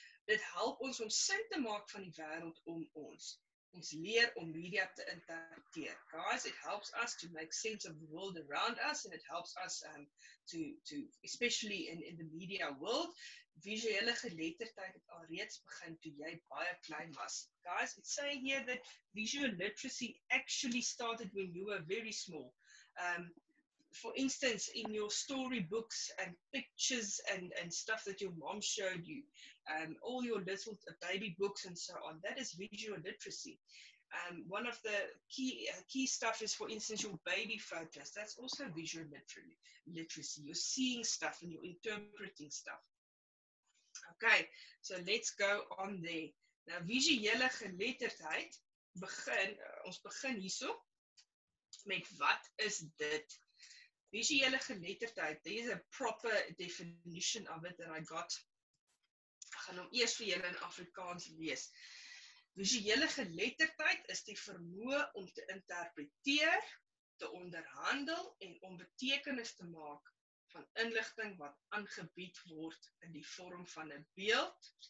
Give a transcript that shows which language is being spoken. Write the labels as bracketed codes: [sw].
[af] Dit help ons om sin te maak van die wêreld om ons. Ons leer om media te interpreteer. [en] Guys, it helps us to make sense of the world around us, and it helps us to especially in the media world. [af] Visuele geletterdheid het al reeds begin toe jy baie klein was. [en] Guys, it's saying here that visual literacy actually started when you were very small. For instance, in your storybooks and pictures and stuff that your mom showed you, all your little baby books and so on, that is visual literacy. One of the key stuff is, for instance, your baby photos. That's also visual literacy. You're seeing stuff and you're interpreting stuff. Okay, so let's go on there. Now, [af] visuele geletterdheid, ons begin hierso, met wat is dit? [en] Visuele geletterdheid, there is a proper definition of it that I got. [af] Ek gaan hom eers vir julle in Afrikaans lees. Visuele geletterdheid is die vermoë om te interpreteer, te onderhandel en om betekenis te maak van inligting wat aangebied word in die vorm van 'n beeld.